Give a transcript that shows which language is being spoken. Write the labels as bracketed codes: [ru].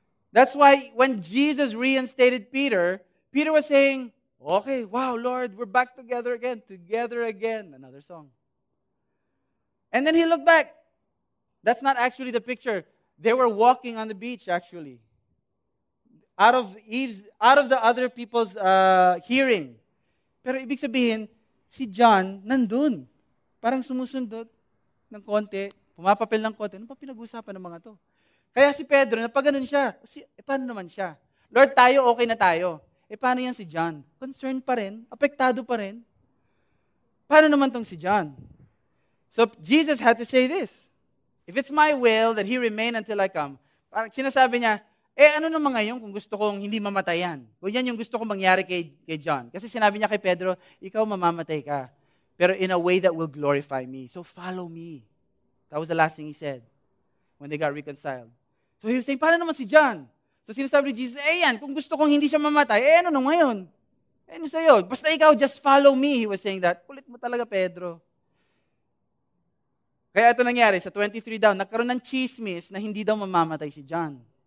[en] That's why when Jesus reinstated Peter, Peter was saying, okay, wow, Lord, we're back together again, another song. And then he looked back. That's not actually the picture. They were walking on the beach, actually. Out of the other people's hearing. [tl] Pero ibig sabihin, si John nandun. Parang sumusundot ng konti, pumapapil ng konti. Ano pa pinag-usapan ng mga to? Kaya si Pedro, napaganon siya. Paano naman siya? Lord, tayo, okay na tayo. Paano yan si John? Concerned pa rin? Apektado pa rin? Paano naman tong si John? [en] So Jesus had to say this. If it's my will that he remain until I come, [tl] parang sinasabi niya, ano naman ngayon kung gusto kong hindi mamatay yan? Kung yan yung gusto kong mangyari kay John. Kasi sinabi niya kay Pedro, ikaw mamamatay ka. [en] Pero in a way that will glorify me. So follow me. That was the last thing he said when they got reconciled. So he was saying, [tl] paano naman si John? So sinasabi ni Jesus, yan, kung gusto kong hindi siya mamatay, ano naman ngayon? Ano sa'yo? Basta ikaw, [en] just follow me. He was saying that. [tl] Kulit mo talaga, Pedro. Kaya ito nangyari, sa 23 daw, nagkaroon ng chismis na hindi daw mamamatay si John.